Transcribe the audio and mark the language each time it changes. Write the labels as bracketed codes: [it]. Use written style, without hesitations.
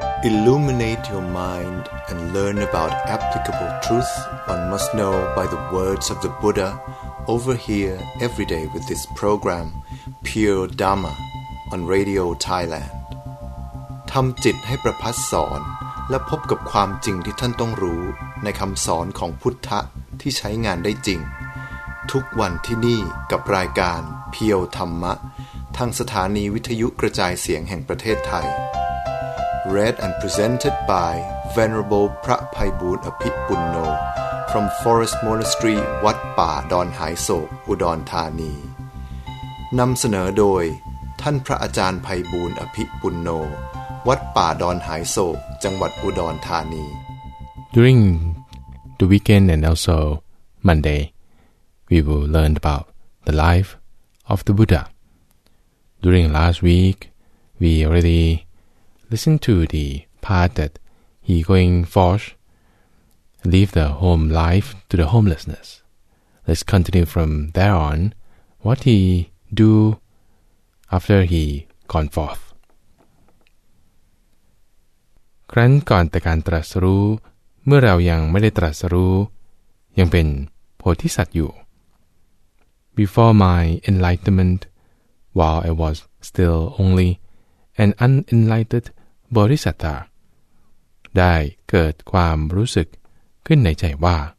[en] Illuminate your mind and learn about applicable truth one must know by the words of the Buddha over here every day with this program, Pure Dharma, on Radio Thailand. [th] ทำจิตให้ประพัสสอนและพบกับความจริงที่ท่านต้องรู้ในคำสอนของพุทธะที่ใช้งานได้จริงทุกวันที่นี่กับรายการเพียวธรรมะทางสถานีวิทยุกระจายเสียงแห่งประเทศไทย [en] Read and presented by Venerable [th] พระไพบูลย์อภิปุณโญ from Forest Monastery วัดป่าดอนหายโศกอุดรธานีนำเสนอโดยท่านพระอาจารย์ไพบูลย์อภิปุณโญวัดป่าดอนหายโศกจังหวัดอุดรธานี [en] During the weekend and also MondayWe will learn about the life of the Buddha. During last week, we already listened to the part that he going forth, leave the home life to the homelessness. Let's continue from there on, what he do after he gone forth. [th] ครั้นก่อนแต่การตรัสรู้เมื่อเรายังไม่ได้ตรัสรู้ยังเป็นโพธิสัตว์อยู่ [en] Before my enlightenment, while I was still only an unenlightened bodhisattva, [th] ได้เกิดความรู้สึกขึ้นในใจว่า